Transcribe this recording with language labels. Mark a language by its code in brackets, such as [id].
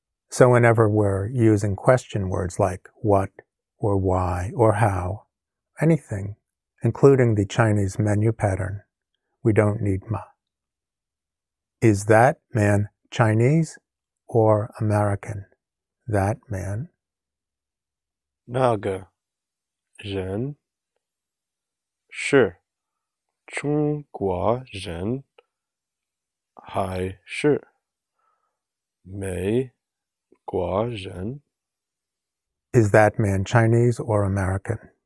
[en] So whenever we're using question words like what or why or how, anything, including the Chinese menu pattern, we don't need ma. Is that man Chinese or American? That man? [zh] 那个人 是中国人还是美国人? [en] Is that man Chinese or American?